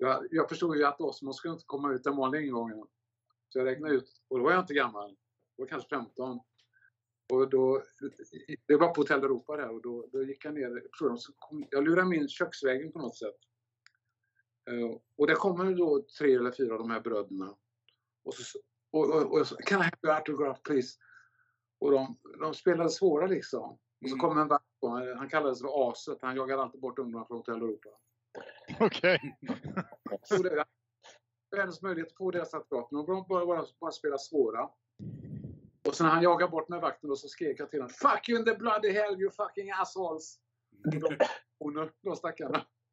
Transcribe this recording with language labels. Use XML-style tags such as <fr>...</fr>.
<sv>jag förstod ju att Osmonds skulle inte komma ut den vanliga ingången. Så jag räknade ut, och då var jag inte gammal, jag var kanske 15. Och då, det var på Hotell Europa där och då gick jag ner, jag lurade min köksvägen på något sätt. Och det kommer då 3 eller 4 av de här bröderna. Och jag sa,</sv> <en>can I have your autograph please?</en> <sv>Och de spelade svåra liksom. Och så kom en vakt på, han kallades för Aset, han jagade alltid bort ungdomar från Hotell Europa. Okej. Okay. Det var ens möjlighet att få deras autograph, men de bara spela svåra. Och sen han jagade bort med vakten och så skrek jag till honom,</sv> <en>fuck you in the bloody hell, you fucking assholes.</en> <sv>De stackarna.</sv>